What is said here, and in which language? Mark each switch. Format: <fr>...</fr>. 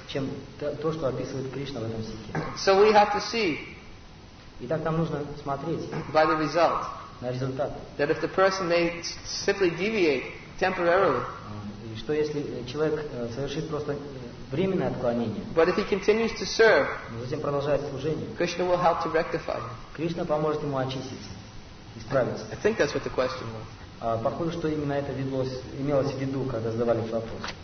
<ru>Чем то, что описывает Кришна в этом стихе.</ru> <en>So we have to see.</en> <ru>Итак, нам нужно смотреть.</ru> <en>By the result.</en> <ru>На результат.</ru> <en>That if the person may simply deviate temporarily.</en> <ru>И что если человек совершит просто временное отклонение.</ru> <en>But if he continues to serve.</en> <ru>Но затем продолжает служение.</ru> <en>Krishna will help to rectify.</en> <ru>Кришна поможет ему очиститься.</ru> <en>I think that's what the question was.</en> <ru>Похоже, что именно это велось, имелось в виду, когда задавали вопрос.</ru>